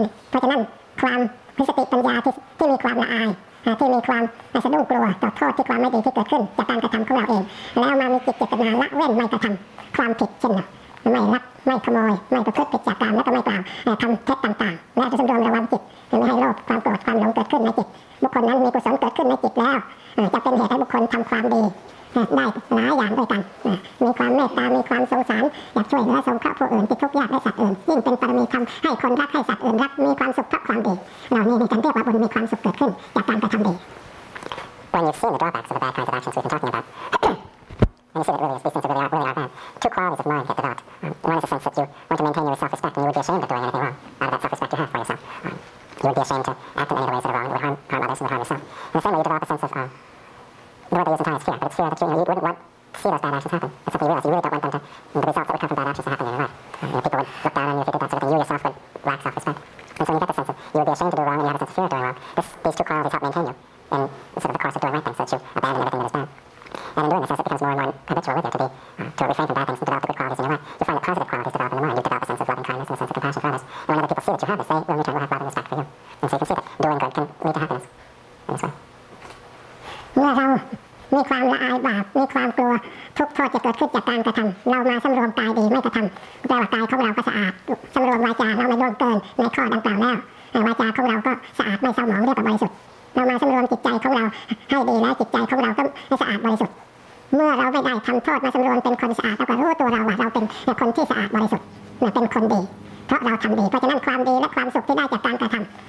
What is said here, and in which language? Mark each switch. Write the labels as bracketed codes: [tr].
[th] เพราะฉะนั้นความมีสติปัญญาที่มีความละอายที่มีความสะดุ้งกลัวต่อโทษที่ความไม่ดีที่เกิดขึ้นจากการกระทำของเราเองแล้วมามีจิตเจตนาละเว้นไม่กระทำความผิดเช่นไม่ลักไม่ขโมยไม่ประพฤติผิดจากกรรมและก็ไม่กล่าวทำเท็จต่างๆและจะสำรวมระวังจิตไม่ให้โลภความโกรธความหลงเกิดขึ้นในจิตบุคคลนั้นมีกุศลเกิดขึ้นในจิตแล้วจะเป็นเหตุให้บุคคลทำความดี ได้หลายอย่างด้วยกันมีความเมตตามีความสงสารอยากช่วยเหลือสงเคราะห์ผู้อื่นติดทุกข์ยากให้สัตว์อื่นยิ่งเป็นปรมีทำให้คนรักให้สัตว์อื่นรักมีความสุขเพราะความดีเหล่านี้มีการเรียกว่าบุญมีความสุขเกิดขึ้นจากการกระทำดี [en] When you've seen the drawbacks of the bad kinds of actions we've been talking about when you see that really these things really are bad, two qualities of mind get developed. One is a sense that you want to maintain your self-respect and you would be ashamed of doing anything wrong out of that self-respect you have for yourself. You would be ashamed to act in any ways that are wrong that would harm others and would harm yourself. In the same way you develop a sense of the word they use in Thai is fear, but it's fear that you, you wouldn't want to see those bad actions happen. It's something you realize, you really don't want them to, the results that would come from bad actions to happen in your life. People would look down on you if you did that sort of thing, you yourself would lack self-respect. And so when you get the sense of you would be ashamed to do wrong and you have a sense of fear of doing wrong, these two qualities help maintain you in sort of the course of doing right things so that you abandon everything that is bad. And in doing this, as it becomes more and more habitual with you to refrain from bad things and develop the good qualities in your life, you find that positive qualities develop in the mind. You develop a sense of loving kindness and a sense of compassion for others. And when other people see that you have this, they will in return will have love and respect for you. And so you can see that doing good can lead to happiness in this way. [th] เมื่อเรามีความละอายบาปมีความกลัวทุกข์โทษจะเกิดขึ้นจากการกระทำเรามาสำรวมกายดีไม่กระทำแปลว่ากายของเราก็สะอาดสำรวมวาจาเราไม่ล่วงเกินในข้อดังกล่าวแล้ววาจาของเราก็สะอาดไม่เศร้าหมองเรียบร้อยบริสุทธิ์เรามาสำรวมจิตใจของเราให้ดีแล้วจิตใจของเราก็สะอาดบริสุทธิ์เมื่อเราไม่ได้ทำโทษมาสำรวมเป็นคนสะอาดแล้วก็รู้ตัวเราว่าเราเป็นคนที่สะอาดบริสุทธิ์เป็นคนดีเพราะเราทำดีเพราะฉะนั้นความดีและความสุขที่ได้จากการกระทำ